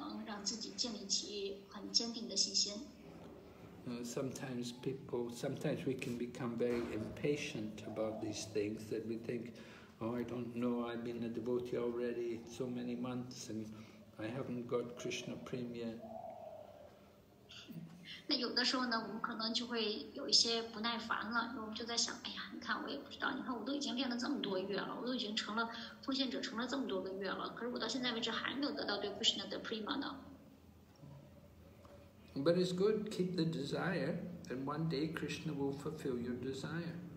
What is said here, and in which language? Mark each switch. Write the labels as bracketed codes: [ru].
[zh] 我不知道你已经习练了多长时间了，但是呢，就是一般来说，这个习练呢是要非常要花很长的时间，而且呢，这个习练要非常的这个就是很努力使劲的这种习练，才有可能让自己建立起很坚定的信心。 [en] Sometimes we can become very impatient about these things that we think, oh, I don't know, I've been a devotee already so many months and I haven't got Krishna prema yet. [zh] 那有的时候呢，我们可能就会有一些不耐烦了，我们就在想，哎呀，你看，我也不知道，你看，我都已经练了这么多月了，我都已经成了奉献者，成了这么多个月了，可是我到现在为止还没有得到对 Krishna 的 prema 呢。 [en] But it's good, keep the desire, and one day Krishna will fulfill your desire.